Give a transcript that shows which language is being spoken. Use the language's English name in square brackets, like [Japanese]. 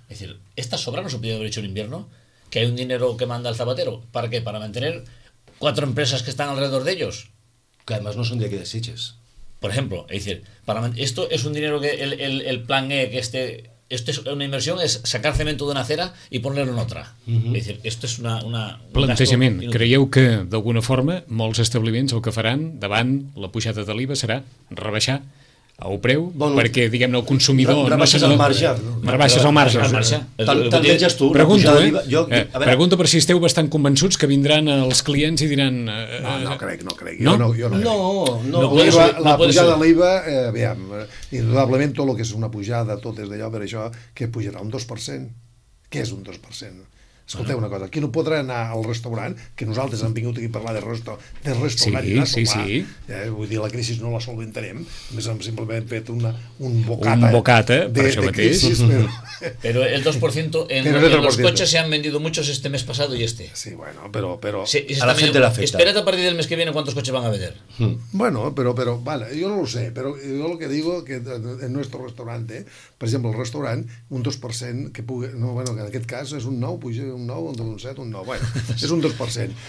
[Spanish] Es decir, ¿esta sobra no se podía haber hecho en invierno? ¿Que hay un dinero que manda el zapatero? ¿Para qué? ¿Para mantener cuatro empresas que están alrededor de ellos? Que además no son de aquí de Sitges. Por ejemplo, es decir, esto es un dinero que el plan E, que esto es una inversión, es sacar cemento de una acera y ponerlo en otra. Uh-huh. Es decir, esto es una [Catalan] plantejament. Creieu que, d'alguna forma, molts establiments el que faran davant la pujada de l'IVA serà rebaixar el preu, bueno, perquè, diguem-ne, el consumidor... Rebaixes el marge. Rebaixes el marge. Tant veges tu. Pregunto, pregunto per si esteu bastant convençuts que vindran els clients i diran... No crec. No? No, la pujada de l'IVA, indudablement tot el que és una pujada, tot és d'allò, per això, que pujarà un 2%. Què és un 2%? Escolteu una cosa, qui no podrà anar al restaurant, que nosaltres hem vingut aquí a parlar de restaurant sí, i anar a sopar, sí. Vull dir, la crisi no la solventarem, només hem simplement fet un bocata. Un bocata, per això mateix. [Spanish] Però el 2% en los coches se han vendido muchos este mes pasado y este. Sí, bueno, pero sí, a la gente le afecta. Espera't a partir del mes que viene cuántos coches van a vender. Bueno, pero vale, yo no lo sé, pero yo lo que digo que en nuestro restaurante, [Catalan] per exemple, el restaurant, un 2% que pugui... No, bueno, en aquest cas és un 9, puja un 9, un 7, un 9, bueno, és un 2%.